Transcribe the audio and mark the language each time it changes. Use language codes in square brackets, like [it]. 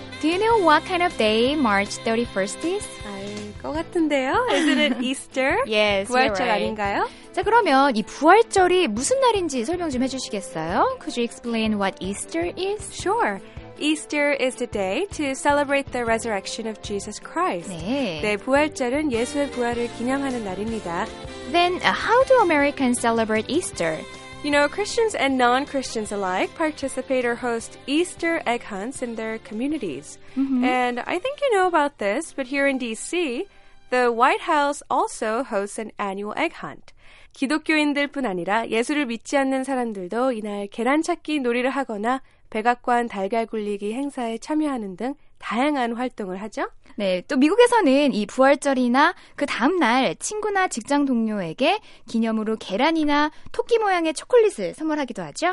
[en] Do you know what kind of day March 31st is? [ko] 것 같은데요. [en] Isn't it Easter? Yes, [ko] 부활절 [en] right. [ko] 아닌가요? 자, 그러면 이 부활절이 무슨 날인지 설명 좀 해주시겠어요? [en] Could you explain what Easter is? Sure. Easter is the day to celebrate the resurrection of Jesus Christ. [ko] 네. 네, 부활절은 예수의 부활을 기념하는 날입니다. [en] Then, how do Americans celebrate Easter? You know, Christians and non-Christians alike participate or host Easter egg hunts in their communities. Mm-hmm. And I think you know about this, but here in D.C., the White House also hosts an annual egg hunt. [ko] 기독교인들뿐 아니라 예수를 믿지 않는 사람들도 이날 계란찾기 놀이를 하거나 백악관 달걀 굴리기 행사에 참여하는 등 다양한 활동을 하죠. 네, 또 미국에서는 이 부활절이나 그 다음 날 친구나 직장 동료에게 기념으로 계란이나 토끼 모양의 초콜릿을 선물하기도 하죠.